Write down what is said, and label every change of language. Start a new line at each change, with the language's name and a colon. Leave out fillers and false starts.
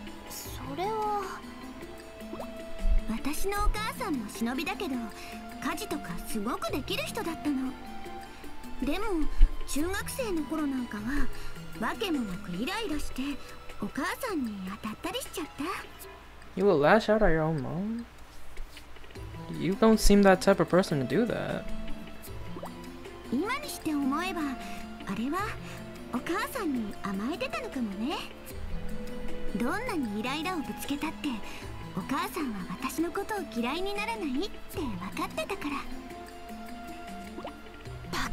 Japanese: それは私のお母さんも忍びだけど、家事とかすごくできる人だったの。でも中学生の頃なんかは訳もなくイライラしてお母さんに当たったりしちゃった。
English: You will lash out at your own mom? You don't seem that type of person to do that.
Japanese: 今にして思えばあれはお母さんに甘えてたのかもね。どんなにイライラをぶつけたってお母さんは私のことを嫌いにならないって分かってたから。